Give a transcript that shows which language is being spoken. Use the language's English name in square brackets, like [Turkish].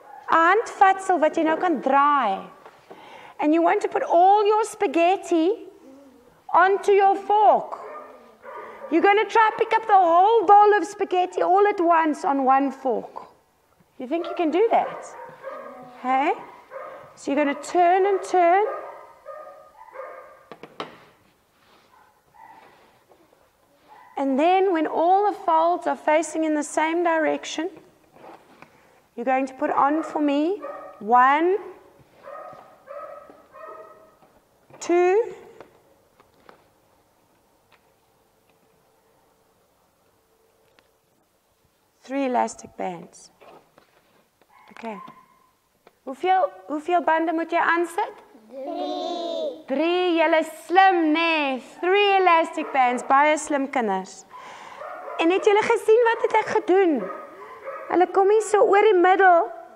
[Afrikaans] A handvatsel wat jy nou kan draai. [English] And you want to put all your spaghetti onto your fork. You're going to try to pick up the whole bowl of spaghetti all at once on one fork. You think you can do that? Hey? So you're going to turn and turn. And then when all the folds are facing in the same direction, you're going to put on for me one, two, three elastic bands. Okay. [Afrikaans] Hoeveel bande moet jy aansit? Drie, julle slim, nee. [English] Three elastic bands, [Afrikaans] baie slim kinders. En het julle gesien wat het ek gedoen? Hulle kom hier so oor die middel.